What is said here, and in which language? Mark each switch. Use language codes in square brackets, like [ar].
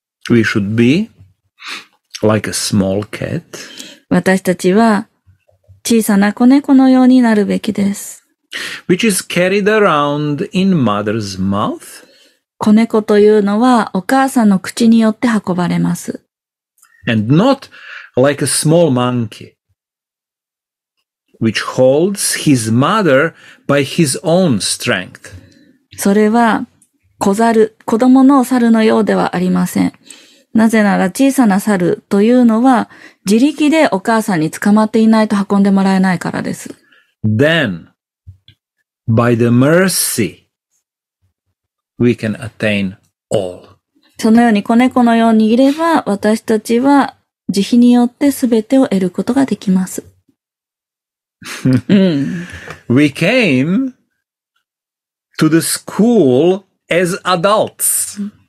[en] We should be like a small cat. [ja] 私たちは小さな子猫のようになるべきです。 [en] Which is carried around in mother's mouth. [ja] 子猫というのはお母さんの口によって運ばれます。 [en] And not like a small monkey, which holds his mother by his own strength. [ja] それは子供の猿のようではありません。なぜなら小さな猿というのは自力でお母さんに捕まっていないと運んでもらえないからです。 [en] Then,By the mercy, we can attain all. [ja] そのように子猫のようにいれば、私たちは慈悲によってすべてを得ることができます。 [en] We came to the school as adults.